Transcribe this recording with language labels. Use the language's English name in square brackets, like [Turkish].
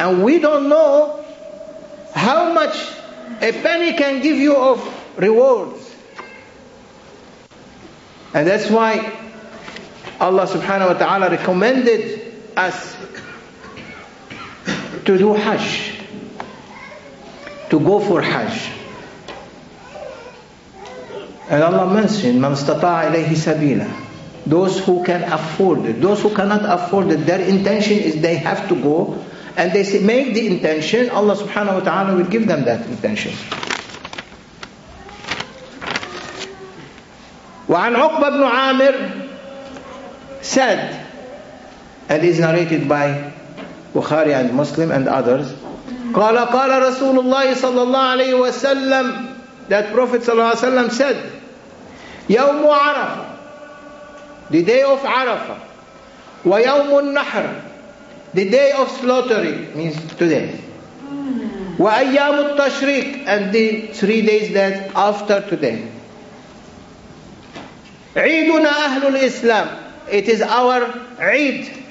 [English] And we don't know how much a penny can give you of rewards. And that's why Allah subhanahu wa ta'ala recommended us to do Hajj, to go for Hajj. And Allah mentioned, [Arabic] مَنْ اسْتَطَاعَ إِلَيْهِ سَبِيلًا. [English] Those who can afford it, those who cannot afford it, their intention is they have to go, and they say, make the intention, Allah subhanahu wa ta'ala will give them that intention. [Arabic] وَعَنْ عُقْبَ بْنُ عَامِرْ [English] said, and is narrated by Bukhari and Muslim and others. [Arabic] قال رسول الله صلى الله عليه وسلم, [English] that Prophet [Arabic] صلى الله عليه وسلم said, يوم عرفة, [English] the day of عرفة, [Arabic] ويوم النحر, [English] the day of slaughtering, means today, [Arabic] وأيام التشريق, [English] and the 3 days that after today. [Arabic] عيدنا أهل الإسلام, [English] it is our [Arabic] عيد.